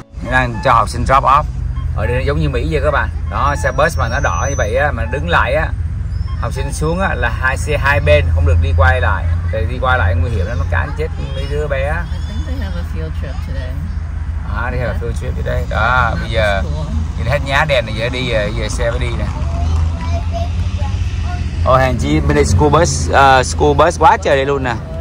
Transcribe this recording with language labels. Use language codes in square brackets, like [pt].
[vi] Đang cho học sinh drop off ở đây giống như Mỹ vậy các bạn. Đó, xe bus mà nó đỏ như vậy á, mà nó đứng lại á, học sinh xuống á là hai xe hai bên không được đi qua lại, thì đi qua lại nguy hiểm lắm, nó cán chết mấy đứa bé. [en] I think they have a field trip today. À, they have a field trip today. [vi] Đó, bây giờ nhìn hết nhá đèn này, giờ đi, giờ xe mới đi nè. Oh, hàng chi bên đây school bus quá trời đây luôn nè.